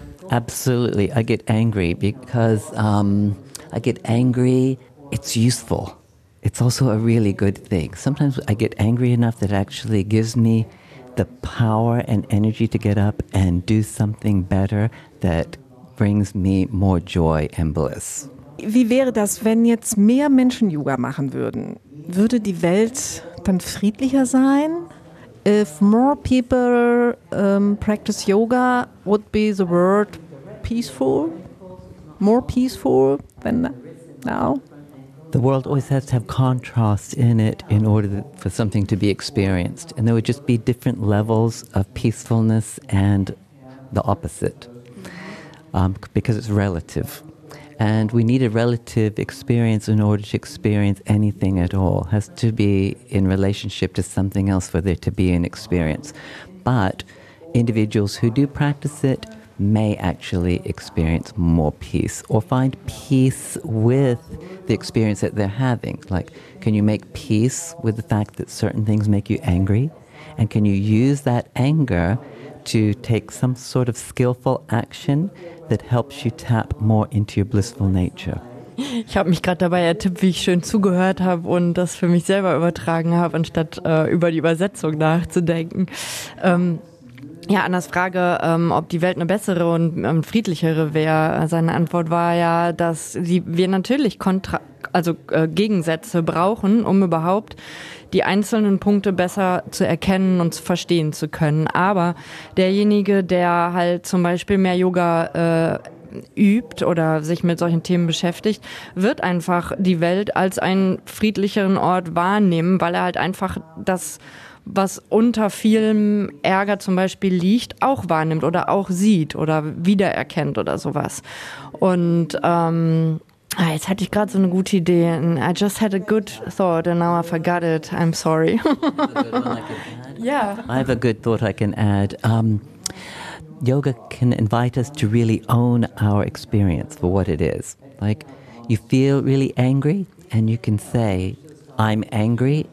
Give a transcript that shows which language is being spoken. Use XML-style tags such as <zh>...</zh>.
<en>Absolutely. I get angry because I get angry. It's useful. It's also a really good thing. Sometimes I get angry enough that it actually gives me the power and energy to get up and do something better that brings me more joy and bliss.</en> <de>Wie wäre das, wenn jetzt mehr Menschen Yoga machen würden? Würde die Welt dann friedlicher sein?</de> <en>If more people practice yoga, would be the world peaceful? More peaceful than now? The world always has to have contrast in it in order for something to be experienced. And there would just be different levels of peacefulness and the opposite, because it's relative. And we need a relative experience in order to experience anything at all. It has to be in relationship to something else for there to be an experience. But individuals who do practice it may actually experience more peace or find peace with the experience that they're having. Like, can you make peace with the fact that certain things make you angry? And can you use that anger to take some sort of skillful action that helps you tap more into your blissful nature?</en> <de>Ich habe mich gerade dabei ertippt, wie ich schön zugehört habe und das für mich selber übertragen habe, anstatt über die Übersetzung nachzudenken. Ja, an das Frage, ob die Welt eine bessere und friedlichere wäre, seine Antwort war ja, dass wir natürlich Gegensätze brauchen, um überhaupt die einzelnen Punkte besser zu erkennen und zu verstehen zu können. Aber derjenige, der halt zum Beispiel mehr Yoga übt oder sich mit solchen Themen beschäftigt, wird einfach die Welt als einen friedlicheren Ort wahrnehmen, weil er halt einfach das, was unter vielem Ärger zum Beispiel liegt, auch wahrnimmt oder auch sieht oder wiedererkennt oder sowas. Und Ah, jetzt hatte ich gerade so eine gute Idee.</de> <en>And I just had a good thought and now I forgot it. I'm sorry. I have a good thought I can add. Yoga can invite us to really own our experience for what it is. Like, you feel really angry and you can say, I'm angry.</en>